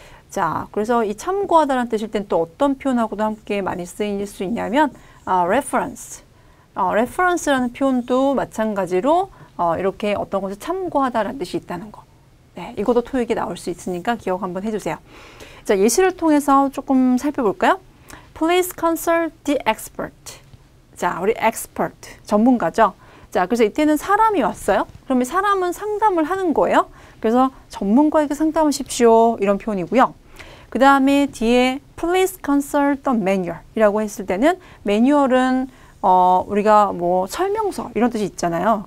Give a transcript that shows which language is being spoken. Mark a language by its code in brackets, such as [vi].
[ko] 자, 그래서 이 참고하다라는 뜻일 땐또 어떤 표현하고도 함께 많이 쓰일 수 있냐면 reference. reference라는 표현도 마찬가지로 이렇게 어떤 것을 참고하다라는 뜻이 있다는 거. 네, 이것도 토익에 나올 수 있으니까 기억 한번 해주세요. 자, 예시를 통해서 조금 살펴볼까요? [en] Please consult the expert. [ko] 자, 우리 expert, 전문가죠? 자, 그래서 이때는 사람이 왔어요. 그러면 사람은 상담을 하는 거예요. 그래서 전문가에게 상담하십시오 이런 표현이고요. 그 다음에 뒤에 [en] Please consult the manual [ko] 이라고 했을 때는 매뉴얼은 우리가 뭐 설명서 이런 뜻이 있잖아요.